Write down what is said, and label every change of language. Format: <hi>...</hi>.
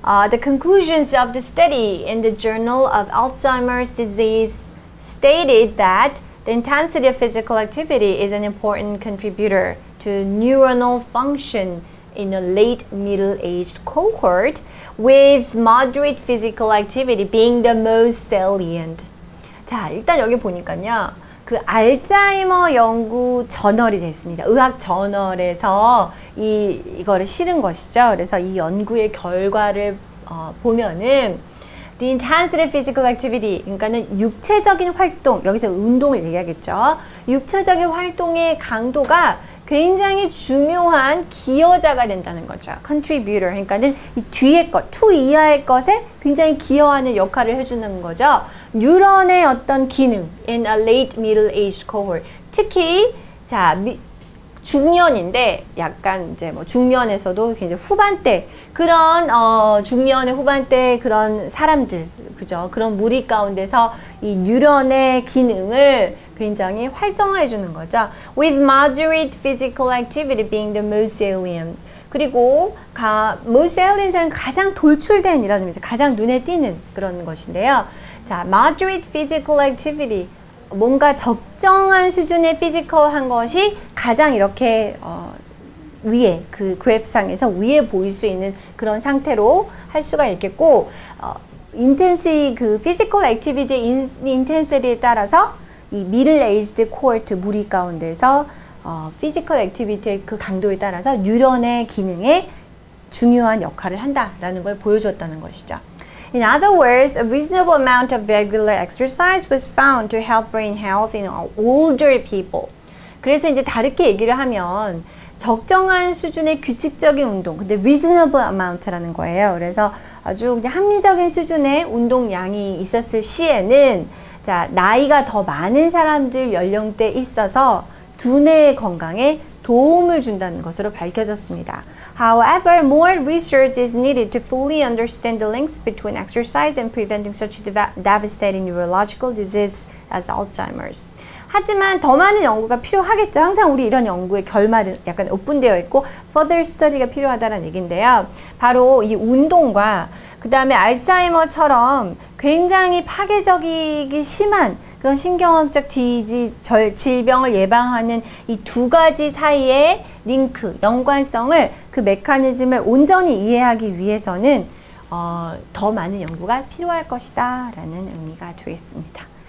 <en>The conclusions of the study in the Journal of Alzheimer's Disease stated that the intensity of physical activity is an important contributor to neuronal function in a late middle-aged cohort, with moderate physical activity being the most salient.</en> <ko>자, 일단 여기 보니까요. 그 알츠하이머 연구 저널이 됐습니다. 의학 저널에서 이거를 실은 것이죠. 그래서 이 연구의 결과를 보면은</ko> <en>The intensity of physical activity,</en> <ko>그러니까는 육체적인 활동, 여기서 운동을 얘기하겠죠. 육체적인 활동의 강도가 굉장히 중요한 기여자가 된다는 거죠. Contributor, 그러니까는 이 뒤에 것, 투 이하의 것에 굉장히 기여하는 역할을 해주는 거죠. 뉴런의 어떤 기능,</ko> <en>in a late middle age cohort.</en> <ko>특히, 자, 중년인데 약간 이제 뭐 중년에서도 굉장히 후반대 그런 중년의 후반대 그런 사람들 그죠 그런 무리 가운데서 이 뉴런의 기능을 굉장히 활성화해 주는 거죠.</ko> <en>With moderate physical activity being the most salient.</en> <ko>그리고</ko> <en>most salient</en> <ko>은 가장 돌출된 이라는 의미죠. 가장 눈에 띄는 그런 것인데요. 자,</ko> <en>moderate physical activity</en> <ko>뭔가 적정한 수준의 피지컬한 것이 가장 이렇게 위에 그 그래프상에서 위에 보일 수 있는 그런 상태로 할 수가 있겠고 피지컬 액티비티의 인텐시티에 따라서 이</ko> <en>middle-aged cohort</en> <ko>무리 가운데서 피지컬 액티비티의 그 강도에 따라서 뉴런의 기능에 중요한 역할을 한다라는 걸 보여줬다는 것이죠.</ko> <en>In other words, a reasonable amount of regular exercise was found to help brain health in older people.</en> <ko>그래서 이제 다르게 얘기를 하면 적정한 수준의 규칙적인 운동, 근데</ko> <en>reasonable amount</en> <ko>라는 거예요. 그래서 아주 그냥 합리적인 수준의 운동량이 있었을 시에는 자, 나이가 더 많은 사람들 연령대에 있어서 두뇌 건강에 도움을 준다는 것으로 밝혀졌습니다.</ko> <en>However, more research is needed to fully understand the links between exercise and preventing such devastating neurological diseases as Alzheimer's.</en> <ko>하지만 더 많은 연구가 필요하겠죠. 항상 우리 이런 연구의 결말은 약간 오픈되어 있고</ko> <en>further study</en> <ko>가 필요하다는 얘기인데요. 바로 이 운동과 그 다음에 알츠하이머처럼 굉장히 파괴적이기 심한 그런 신경학적 질병을 예방하는 이 두 가지 사이의 링크, 연관성을 그 메커니즘을 온전히 이해하기 위해서는 더 많은 연구가 필요할 것이다 라는 의미가 되겠습니다.</ko>